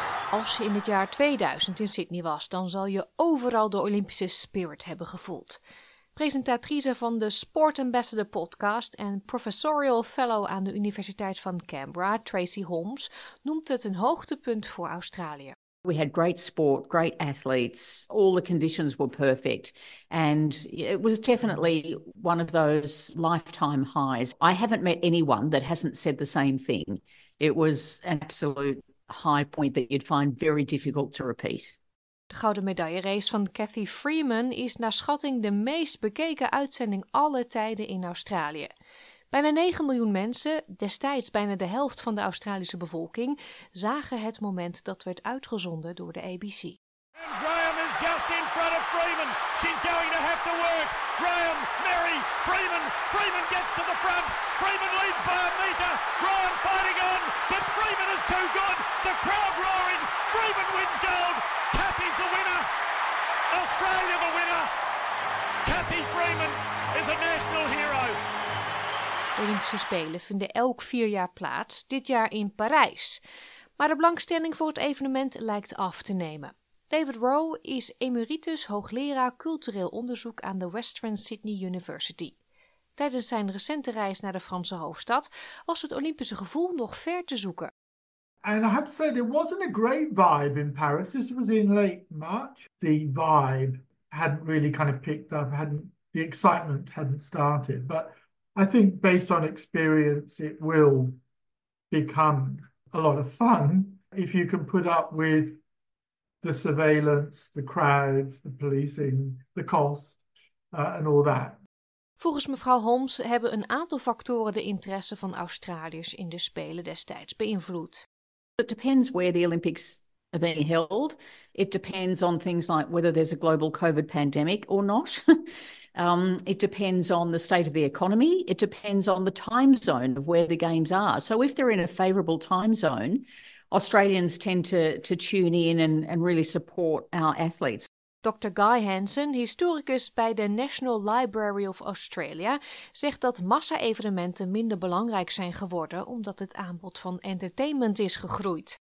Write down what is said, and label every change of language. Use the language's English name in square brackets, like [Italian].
[Dutch] Als je in het jaar 2000 in Sydney was, dan zal je overal de Olympische spirit hebben gevoeld. Presentatrice van de Sport Ambassador podcast en professorial fellow aan de Universiteit van Canberra, Tracy Holmes, noemt het een hoogtepunt voor Australië. [English] We had great sport, great athletes, all the conditions were perfect. And it was definitely one of those lifetime highs. I haven't met anyone that hasn't said the same thing. It was an absolute high point that you'd find very difficult to repeat. [Dutch] De gouden medaillerace van Cathy Freeman is naar schatting de meest bekeken uitzending aller tijden in Australië. Bijna 9 miljoen mensen, destijds bijna de helft van de Australische bevolking, zagen het moment dat werd uitgezonden door de ABC. [English] And Graham is just in front of Freeman. She's going to have to work. Graham, Mary, Freeman. Freeman gets to the front. Freeman leads by a metre. Graham fighting on, but Freeman is too good. The crowd roaring. Freeman wins gold. Cathy's the winner. Australia the winner. Cathy Freeman is a national hero. [Dutch] Olympische Spelen vinden elk 4 jaar plaats, dit jaar in Parijs. Maar de belangstelling voor het evenement lijkt af te nemen. David Rowe is emeritus hoogleraar cultureel onderzoek aan de Western Sydney University. Tijdens zijn recente reis naar de Franse hoofdstad was het Olympische gevoel nog ver te zoeken. [English] And I have to say, there wasn't a great vibe in Paris. This was in late March. The vibe hadn't really kind of picked up, the excitement hadn't started. But I think based on experience, it will become a lot of fun if you can put up with the surveillance, the crowds, the policing, the cost, and all that. [Dutch] Volgens mevrouw Holmes hebben een aantal factoren de interesse van Australiërs in de Spelen destijds beïnvloed. [English] It depends where the Olympics are being held. It depends on things like whether there's a global COVID pandemic or not. It depends on the state of the economy. It depends on the time zone of where the games are. So if they're in a favourable time zone, Australians tend to tune in and really support our athletes. [Dutch] Dr. Guy Hansen, historicus bij de National Library of Australia, zegt dat massa-evenementen minder belangrijk zijn geworden omdat het aanbod van entertainment is gegroeid.